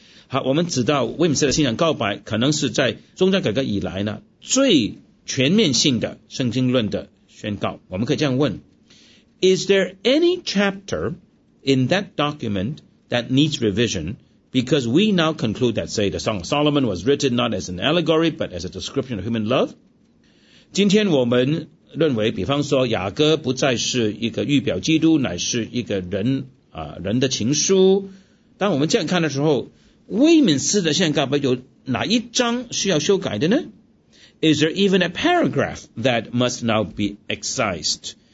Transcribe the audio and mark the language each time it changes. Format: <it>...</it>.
<zh>好，我们知道威敏斯特信仰告白可能是在宗教改革以来呢最全面性的圣经论的宣告。我们可以这样问，</zh> <en>Is there any chapter in that document that needs revision? Because we now conclude that, say, the Song of Solomon was written not as an allegory, but as a description of human love.</en> <zh>今天我们认为，比方说雅歌不再是一个预表基督，乃是一个人、人的情书。当我们这样看的时候，威敏斯的信告白有哪一章需要修改的呢？</zh> <en>Is there even a paragraph that must now be excised?</en>